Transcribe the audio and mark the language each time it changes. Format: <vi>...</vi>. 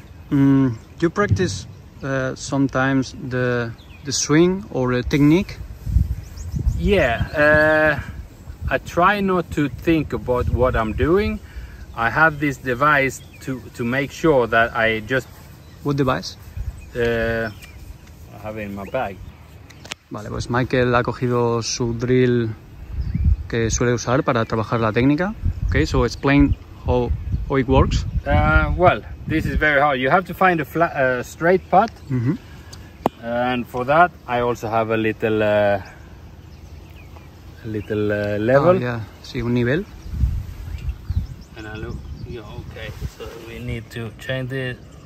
<en>Do you practice sometimes the swing or the technique? Yeah, I try not to think about what I'm doing. I have this device to make sure that I just... What device? I have it in my bag.</en> <es>Vale, pues Mikael ha cogido su drill que suele usar para trabajar la técnica.</es> <en>Okay, so explain how it works. Well, this is very hard. You have to find a straight putt. Mm-hmm. And for that, I also have a little... level. Oh, yeah, see,</en> <es>un nivel.</es> <en>And I look, Yeah, okay, so we need to change it.</en>